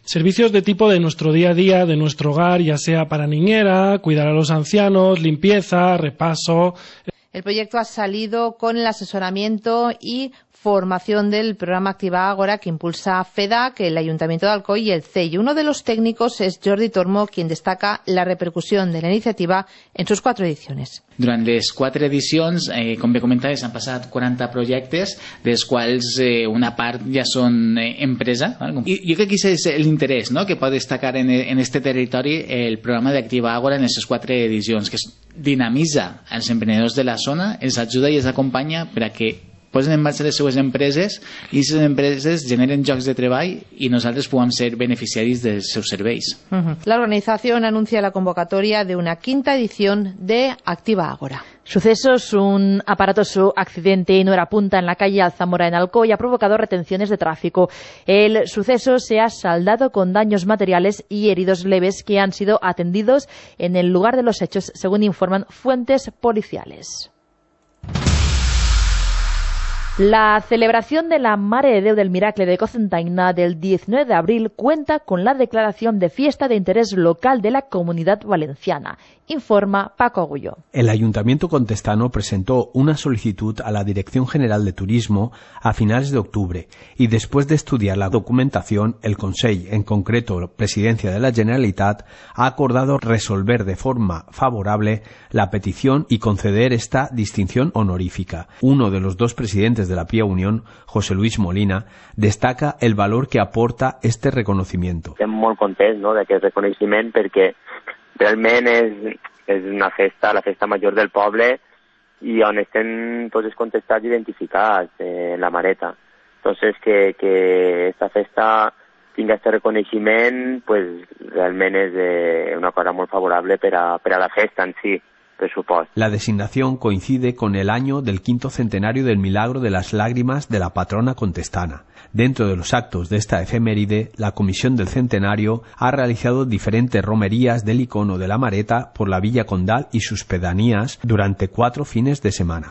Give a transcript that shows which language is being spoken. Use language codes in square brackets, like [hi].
[es] Servicios de tipo de nuestro día a día, de nuestro hogar, ya sea para niñera, cuidar a los ancianos, limpieza, repaso. El proyecto ha salido con el asesoramiento y formación del programa Activa Agora que impulsa FEDAC, el Ayuntamiento de Alcoy y el CEI. Uno de los técnicos es Jordi Tormo, quien destaca la repercusión de la iniciativa en sus cuatro ediciones. [ca] Durant les quatre edicions, com bé comentaves, han passat 40 projectes, dels quals una part ja són empresa. I jo crec que aquí és l'interès, no?, que pot destacar en este territori el programa d'Activa Agora en aquestes quatre edicions, que dinamitza els emprenedors de la zona, els ajuda i els acompanya perquè posen en marxa les seues empreses i les empreses generen llocs de treball i nosaltres puguem ser beneficiaris dels seus serveis. La organització anuncia la convocatòria d'una quinta edició de Activa Agora. [es] Sucesos, un aparatoso accidente en hora punta en la calle Alzamora en Alcoy ha provocado retenciones de tráfico. El suceso se ha saldado con daños materiales y heridos leves que han sido atendidos en el lugar de los hechos, según informan fuentes policiales. La celebración de la Mare de Déu del Miracle de Cocentaina del 19 de abril cuenta con la declaración de fiesta de interés local de la Comunidad Valenciana, informa Paco Agulló. El Ayuntamiento Contestano presentó una solicitud a la Dirección General de Turismo a finales de octubre y después de estudiar la documentación, el Consell, en concreto Presidencia de la Generalitat, ha acordado resolver de forma favorable la petición y conceder esta distinción honorífica. Uno de los dos presidentes de la Pía Unión, José Luis Molina, destaca el valor que aporta este reconocimiento. [ca] Estem molt contents, ¿no?, d'aquest reconeixement perquè realment és una festa, la festa major del poble i on estem tots els contestats identificats en la Mareta. Entonces que esta festa tinga este reconeixement, pues realment és una cosa molt favorable per a la festa en si. [es] La designación coincide con el año del quinto centenario del milagro de las lágrimas de la patrona contestana. Dentro de los actos de esta efeméride, la Comisión del Centenario ha realizado diferentes romerías del icono de la Mareta por la Villa Condal y sus pedanías durante 4 fines de semana.